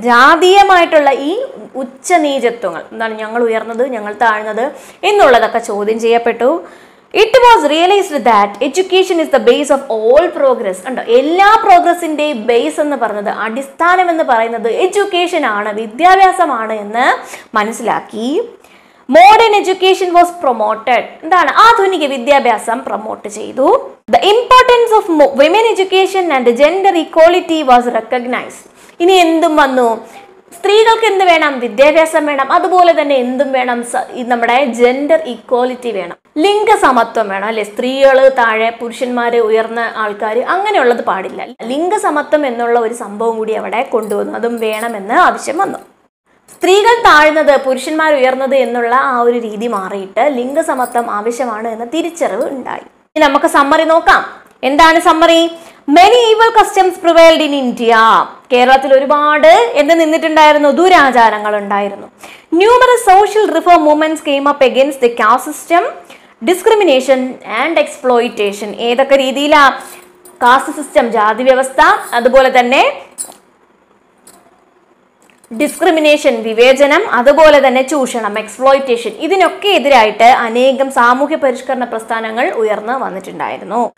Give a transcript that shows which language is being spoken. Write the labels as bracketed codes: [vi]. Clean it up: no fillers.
[ml] ജാതീയമായിട്ടുള്ള ഈ ഉച്ചനീചത്വങ്ങൾ, എന്താണ് ഞങ്ങൾ ഉയർന്നത്, ഞങ്ങൾ താഴ്ന്നത് എന്നുള്ളതൊക്കെ ചോദ്യം ചെയ്യപ്പെട്ടു. [en] It was realised that education is the base of all progress. [ml] ഉണ്ടോ, എല്ലാ പ്രോഗ്രസിൻ്റെയും ബേസ് എന്ന് പറഞ്ഞത്, അടിസ്ഥാനം എന്ന് പറയുന്നത് എഡ്യൂക്കേഷൻ ആണ്, വിദ്യാഭ്യാസമാണ് എന്ന് മനസ്സിലാക്കി. [en] Modern education was promoted. [ml] എന്താണ് ആധുനിക വിദ്യാഭ്യാസം പ്രൊമോട്ട് ചെയ്തു. [en] The importance of women education and gender equality was recognized. [ml] ഇനി എന്തും വന്നു, സ്ത്രീകൾക്ക് എന്ത് വേണം, വിദ്യാഭ്യാസം വേണം, അതുപോലെ തന്നെ എന്തും വേണം, നമ്മുടെ ജെൻഡർ ഇക്വാലിറ്റി വേണം, ലിംഗസമത്വം വേണം അല്ലെ. സ്ത്രീകള് താഴെ, പുരുഷന്മാര് ഉയർന്ന ആൾക്കാർ, അങ്ങനെയുള്ളത് പാടില്ല. ലിംഗസമത്വം എന്നുള്ള ഒരു സംഭവം കൂടി അവിടെ കൊണ്ടുവന്നു, അതും വേണമെന്ന് ആവശ്യം വന്നു. സ്ത്രീകൾ താഴ്ന്നത്, പുരുഷന്മാർ ഉയർന്നത് എന്നുള്ള ആ ഒരു രീതി മാറിയിട്ട് ലിംഗസമത്വം ആവശ്യമാണ് എന്ന തിരിച്ചറിവ് ഉണ്ടായി. നമുക്ക് സമ്മറി നോക്കാം. എന്താണ് summary? [en] Many evil customs prevailed in India. [ml] കേരളത്തിൽ ഒരുപാട് എന്ത് നിന്നിട്ടുണ്ടായിരുന്നു, ദുരാചാരങ്ങൾ ഉണ്ടായിരുന്നു. [en] Numerous social reform movements came up against the caste system, discrimination and exploitation. [ml] ഏതൊക്കെ രീതിയിലാ കാസ്റ്റ് സിസ്റ്റം, ജാതി വ്യവസ്ഥ, അതുപോലെ തന്നെ ഡിസ്ക്രിമിനേഷൻ വിവേചനം, അതുപോലെ തന്നെ ചൂഷണം എക്സ്പ്ലോയിറ്റേഷൻ, ഇതിനൊക്കെ എതിരായിട്ട് അനേകം സാമൂഹ്യ പരിഷ്കരണ പ്രസ്ഥാനങ്ങൾ ഉയർന്നു വന്നിട്ടുണ്ടായിരുന്നു.